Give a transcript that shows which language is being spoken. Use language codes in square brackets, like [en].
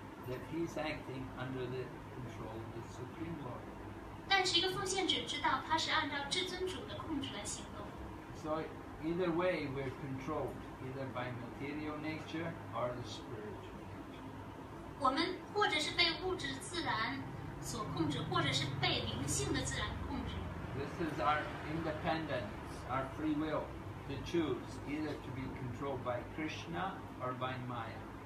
[en] that he's acting under the control of the Supreme Lord. [zh] 但是一个奉献者知道他是按照至尊主的控制来行动。 [en] So either way, we're controlled, either by material nature or the spiritual nature. [zh] 我们或者是被物质自然所控制，或者是被灵性的自然控制。 [en] This is our independence, our free will to choose either to be controlled by Krishna or by Maya.